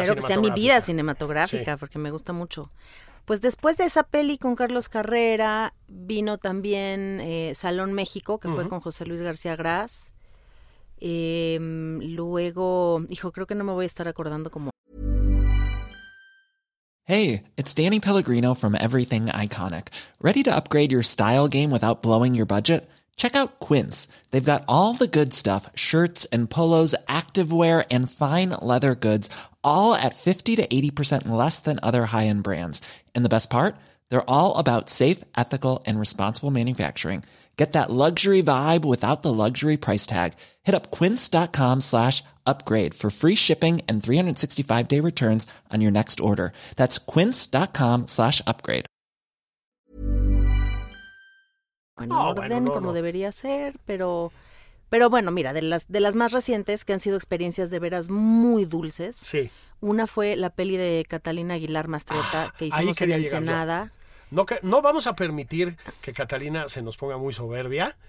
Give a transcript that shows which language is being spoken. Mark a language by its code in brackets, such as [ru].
[es] Espero que sea mi vida cinematográfica, porque me gusta mucho. Pues después de esa peli con Carlos Carrera, vino también Salón México, que fue con José Luis García Gras. Luego, hijo, creo que no me voy a estar acordando como... [en] Hey, it's Danny Pellegrino from Everything Iconic. Ready to upgrade your style game without blowing your budget? Check out Quince. They've got all the good stuff, shirts and polos, activewear and fine leather goods, all at 50 to 80% less than other high-end brands. And the best part? They're all about safe, ethical, and responsible manufacturing. Get that luxury vibe without the luxury price tag. Hit up quince.com/upgrade for free shipping and 365-day returns on your next order. That's quince.com/upgrade. [es] En oh, orden, bueno, no, como no debería ser, pero bueno, mira, de las más recientes, que han sido experiencias de veras muy dulces, sí. Una fue la peli de Catalina Aguilar Mastretta, que hicimos en Ensenada. No vamos a permitir que Catalina se nos ponga muy soberbia.